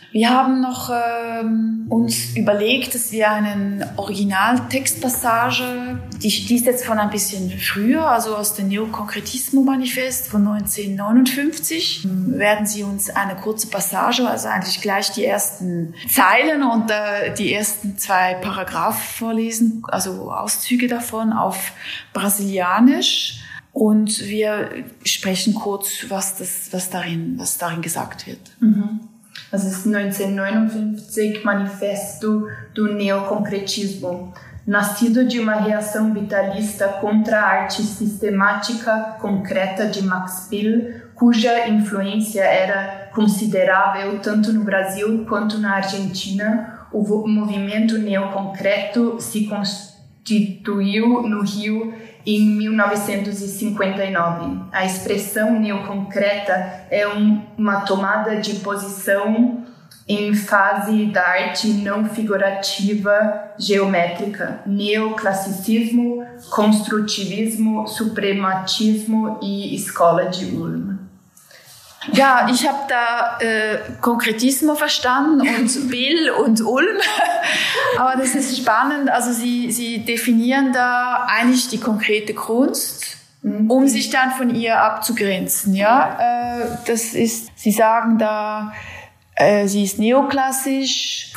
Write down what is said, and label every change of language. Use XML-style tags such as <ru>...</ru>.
<de>Wir haben noch uns überlegt, dass wir einen Originaltextpassage, die ist jetzt von ein bisschen früher, also aus dem Neokonkretismo-Manifest von 1959, werden Sie uns eine kurze Passage, also eigentlich gleich die ersten Zeilen und die ersten 2 Paragraphen vorlesen, also Auszüge davon auf Brasilianisch. Und wir sprechen kurz, was darin gesagt wird. Das ist 1959, Manifesto do Neoconcretismo.</de> <pt>Nascido de uma reação vitalista contra a arte sistemática concreta de Max Biel, cuja influência era considerável tanto no Brasil quanto na Argentina, o movimento neoconcreto se constituiu no Rio em 1959. A expressão neoconcreta é uma tomada de posição em fase da arte não figurativa geométrica, neoclassicismo, construtivismo, suprematismo e escola de Ulm.</pt> <de>Ja, ich habe da Konkretismo verstanden und Bill und Ulm. Aber das ist spannend. Also Sie definieren da eigentlich die konkrete Kunst, um sich dann von ihr abzugrenzen. Ja, das ist. Sie sagen da, sie ist neoklassisch.</de>